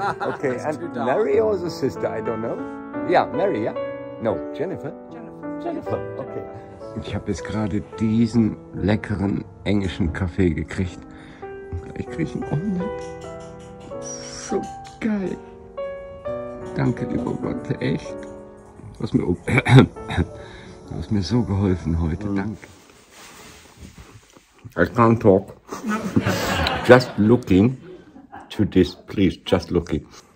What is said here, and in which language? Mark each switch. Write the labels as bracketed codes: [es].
[en] Okay, and Mary or the sister? I don't know. Yeah, Mary, yeah? No, Jennifer. Jennifer. Okay. [de] Ich habe jetzt gerade diesen leckeren englischen Kaffee gekriegt. Ich kriege ihn online. So geil. Danke, lieber Gott, echt. Lass mir um. Du hast mir so geholfen heute, danke. [en] I can't talk. Just looking to this, please, just looking.